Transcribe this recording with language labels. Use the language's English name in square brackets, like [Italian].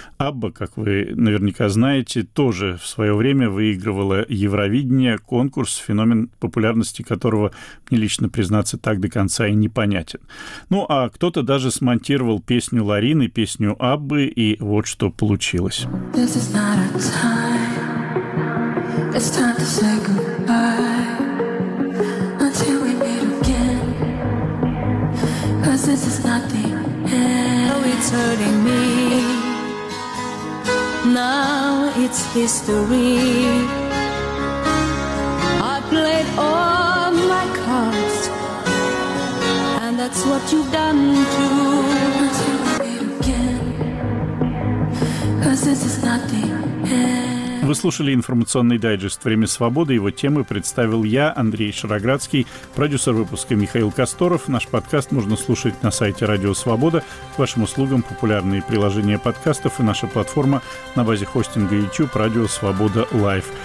[Russian] «Абба», как вы наверняка знаете, тоже в свое время выигрывала «Евровидение», конкурс, феномен популярности которого, мне лично признаться, так до конца и непонятен. Ну, а кто-то даже смонтировал песню Ларины, песню «Аббы», и вот что получилось. [English] This is not a time. It's time to say goodbye until we meet again. 'Cause this is not the end. Oh, it's hurting me. Now it's history. I played all my cards, and that's what you've done too. Until we meet again. 'Cause this is not the end. [Russian] Вы слушали информационный дайджест «Время свободы». Его темы представил я, Андрей Шароградский, продюсер выпуска Михаил Касторов. Наш подкаст можно слушать на сайте «Радио Свобода». К вашим услугам популярные приложения подкастов и наша платформа на базе хостинга YouTube «Радио Свобода Лайв».